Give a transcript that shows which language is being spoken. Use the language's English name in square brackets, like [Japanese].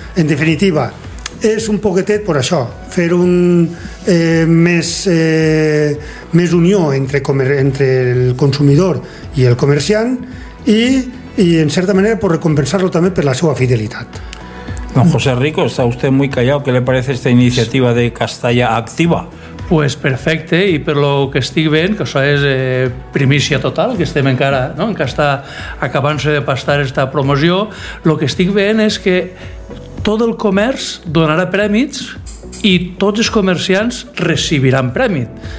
[Catalan] En definitiva, és un poquetet per això, fer un més unió entre el consumidor i el comerciant, i en certa manera per recompensar-lo també per la seva fidelitat. [Spanish] Don José Rico, está usted muy callado. ¿Qué le parece esta iniciativa de Castalla Activa? [Catalan] Pues perfecte, i per lo que estic veient, que això és primícia total, que estem encara, no?, que està acabant-se de pastar esta promoció, el que estic veient és que tot el comerç donarà prèmits i tots els comerciants recibiran prèmit.